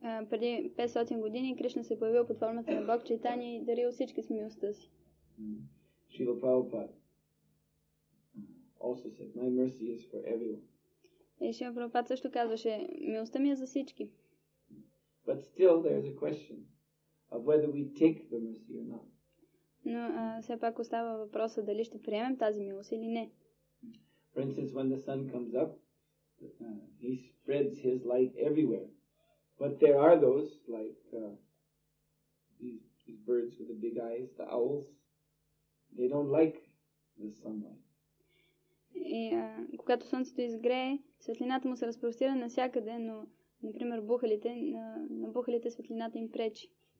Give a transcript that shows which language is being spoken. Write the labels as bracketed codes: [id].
[bg] Преди 500 години Кришна се появил под формата на Бог Чайтани и дарил всички с милостта си. [en] Шрила Прабхупада also said, my mercy is for everyone. [bg] И Шрила Прабхупада също казваше, милостта ми е за всички. [en] But still there is a question of whether we take the mercy or not. [bg] Но все пак остава въпроса дали ще приемем тази милост или не. [en] For instance, when the sun comes up, he spreads his light everywhere. But there are those, like these birds with the big eyes, the owls, they don't like the sunlight. [bg] И когато слънцето изгрее, светлината му се разпростира навсякъде, но, например, бухалите, на бухалите светлината им пречи.